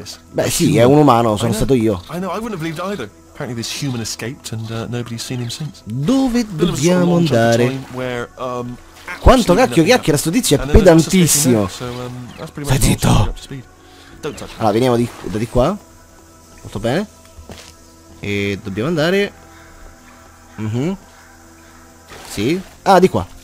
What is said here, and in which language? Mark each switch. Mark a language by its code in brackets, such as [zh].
[it] Beh, sì, è un umano, sono stato io. [en] Apparently this human escaped and nobody's seen him since. [it] Dove dobbiamo andare? Quanto cacchio chiacchiera sto tizio, è pedantissimo. Stai zitto. Allora, veniamo da di qua. Molto bene. E dobbiamo andare. Sì. Ah, di qua.